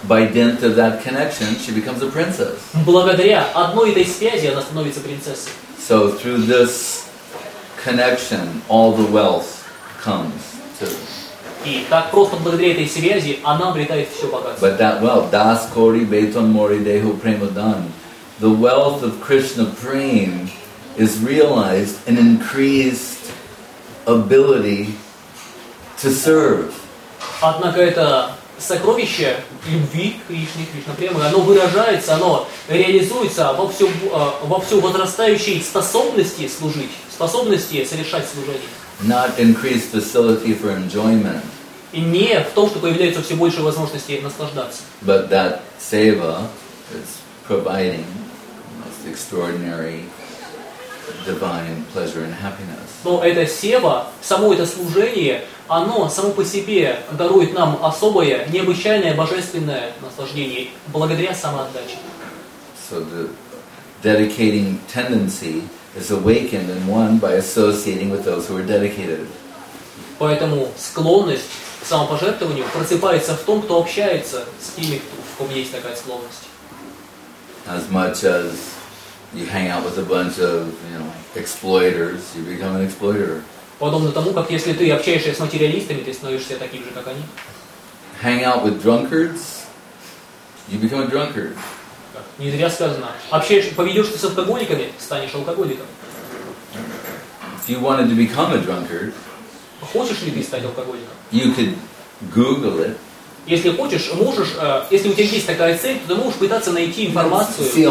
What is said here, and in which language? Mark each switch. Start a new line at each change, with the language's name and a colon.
English: By dint of that connection, she becomes a princess.
Russian: Благодаря одной этой связи она становится принцессой.
English: So through this connection, all the wealth comes to.
Russian: И так просто благодаря этой связи она обретает все богатство.
English: But that wealth,
Bangla: das kori beton mori deho premodan,
English: the wealth of Krishna prem is realized in increased ability to serve.
Russian: Однако это сокровище любви Кришны, Кришна према, оно выражается, оно реализуется во все возрастающей способности служить, способности совершать служение.
English: Not increased facility for enjoyment.
Russian: И не в том, что появляется все больше возможностей наслаждаться.
English: But that seva is providing most extraordinary divine pleasure and happiness.
Russian: Но это сева, само это служение, оно само по себе дарует нам особое, необычайное, божественное наслаждение благодаря самоотдаче.
English: So the dedicating tendency is awakened and won by associating with those who are dedicated.
Russian: Поэтому склонность к самопожертвованию просыпается в том, кто общается с теми, в ком есть такая склонность.
English: As much as you hang out with a bunch of, you know, exploiters, you become an exploiter.
Russian: Подобно тому, как если ты общаешься с материалистами, ты становишься таким же, как они.
English: Hang out with drunkards, you become a drunkard.
Russian: Не зря сказано. Общаешься, поведешься с алкоголиками, станешь алкоголиком.
English: If you wanted to become a drunkard,
Russian: хочешь ли ты стать алкоголиком?
English: You could Google it.
Russian: Если хочешь, можешь, если у тебя есть такая цель, то ты можешь пытаться найти информацию